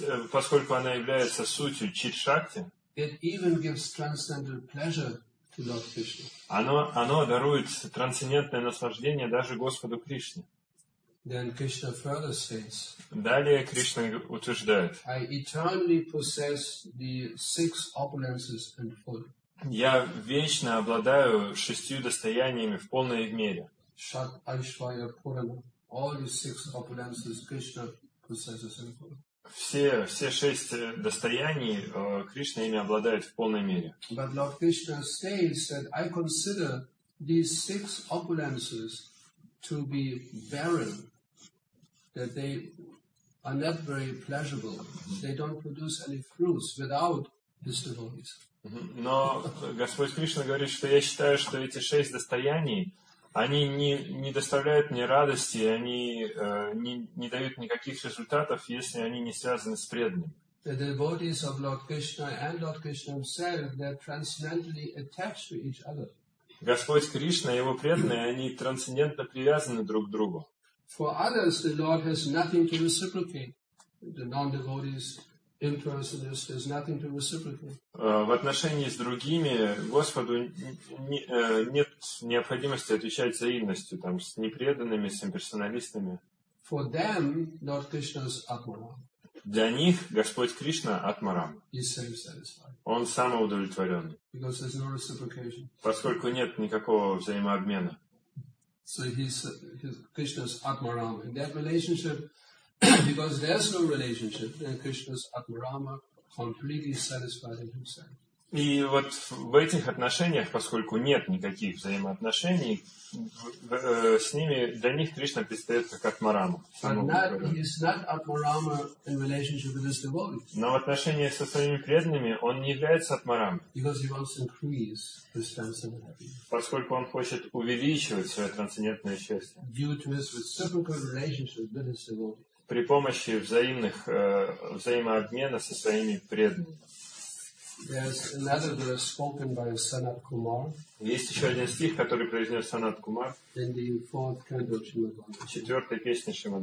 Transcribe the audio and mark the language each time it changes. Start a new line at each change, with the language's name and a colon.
Russian: Поскольку она является сутью чит шакти.
English: It even gives transcendental pleasure to Lord Krishna.
Russian: Оно дарует трансцендентное наслаждение даже Господу Кришне.
English: Then Krishna further says.
Russian: Далее Кришна утверждает.
English: I eternally possess the six opulences in full.
Russian: Я вечно обладаю шестью достояниями в полной мере.
English: Shat, Aishwarya, Purana, all the six opulences Krishna possesses in full.
Russian: Все шесть достояний Кришна ими обладает в полной мере.
English: But Lord Krishna states that I consider these six opulences to be barren, that they are not very pleasurable, they don't produce any fruits without his devotees.
Russian: Но Господь Кришна говорит, что я считаю, что эти шесть достояний, они не доставляют мне радости, они не дают никаких результатов, если они не связаны с преданным.
English: The devotees of Lord Krishna and Lord Krishna himself, they are transcendentally attached to each other.
Russian: Господь Кришна и его преданные, они трансцендентно привязаны друг к другу.
English: For others, the Lord has nothing to reciprocate. The non-devotees. Impersonalist, there's nothing to reciprocate.
Russian: В отношении с другими Господу нет необходимости отвечать взаимностью, там, с непреданными, с имперсоналистами.
English: For them, Lord Krishna's Atmaram.
Russian: Для них Господь Кришна Атмарам.
English: He's self-satisfied.
Russian: Он самоудовлетворенный.
English: Because there's no reciprocation.
Russian: Поскольку нет никакого взаимообмена.
English: So he's Krishna's Atmaram. In that relationship. Because there's no relationship, then Krishna's Atmarama completely satisfied in himself.
Russian: И вот в этих отношениях, поскольку нет никаких взаимоотношений, с ними для них Кришна предстает как Атмарама.
English: He's not Atmarama in relationship with his devotees.
Russian: Но в отношении со своими преданными он не является Атмарамой.
English: Because he wants to increase his transcendental happiness.
Russian: Поскольку он хочет увеличивать свое трансцендентное счастье.
English: Due to his reciprocal relationship with his devotees.
Russian: При помощи взаимных взаимообмена со своими преданными. Есть еще один стих, который произнес Санат Кумар в четвертой песне Шримад